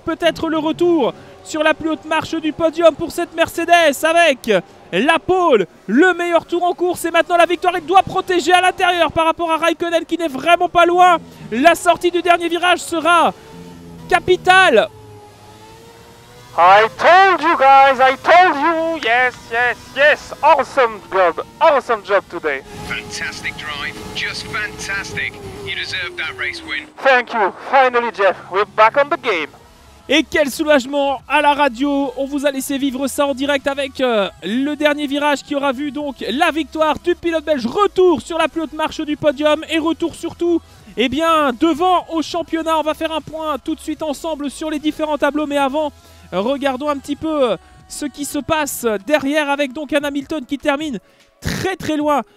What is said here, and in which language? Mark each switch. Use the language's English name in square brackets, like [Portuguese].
[French] Peut-être le retour sur la plus haute marche du podium pour cette Mercedes avec la pole, le meilleur tour en course. Et maintenant la victoire, il doit protéger à l'intérieur par rapport à Raikkonen qui n'est vraiment pas loin. La sortie du dernier virage sera capitale. [English] I told you guys, I told you, yes, yes, yes, awesome job today. Fantastic drive, just fantastic, you deserve that race win. Thank you, finally Jeff, we're back on the game. [French] Et quel soulagement à la radio, on vous a laissé vivre ça en direct avec le dernier virage qui aura vu donc la victoire du pilote belge, retour sur la plus haute marche du podium et retour surtout, eh bien, devant au championnat. On va faire un point tout de suite ensemble sur les différents tableaux, mais avant, regardons un petit peu ce qui se passe derrière avec donc un Hamilton qui termine très très loin.